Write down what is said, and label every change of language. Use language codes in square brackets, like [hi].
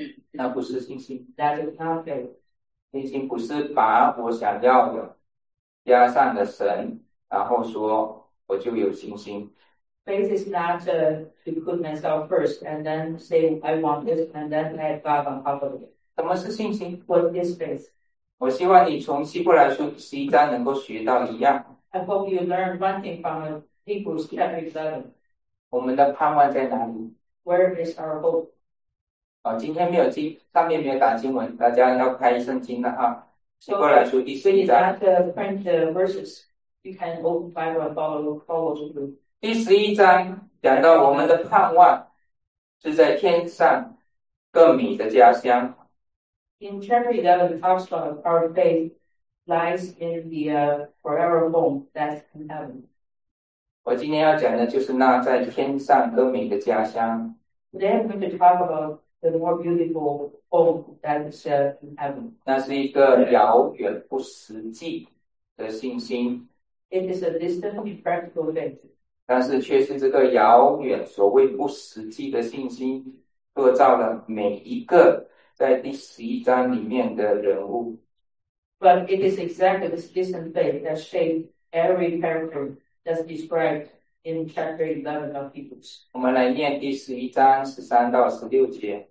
[zh] 那不是信心 [en] That is not faith [zh] 信心不是把我想要的加上的神然后说我就有信心 [en] Faith is not to put myself first and then say I want this and then add God on top of it [zh] 什么是信心 [en] What is faith? [zh] 我希望你从希伯来书十一章能够学到一样 [en] I hope you learn one thing from Hebrews chapter 11 [zh] 我们的盼望在哪里 [en] Where is our hope? [zh] 今天没有经，上面没有打经文，大家要开圣经的哈。希伯来书第四章。 [en] So, if you have to print the verses, you can open the Bible and follow the group. [zh] 第十一章讲到我们的盼望是在天上更美的家乡。 [en] In chapter 11, the talks about our faith lies in the forever home that's in heaven. [zh] 我今天要讲的就是那在天上更美的家乡。 [en] Today I'm going to talk about the more beautiful home that's in heaven. [zh] 那是一个遥远不实际的信心。 [en] It is a distant and practical event. [zh] 但是却是这个遥远所谓不实际的信心塑造了每一个在第十一章里面的人物。 [en] But it is exactly this distant faith that shaped every character that's described in chapter 11 of Hebrews. [zh] 我们来念第十一章十三到十六节。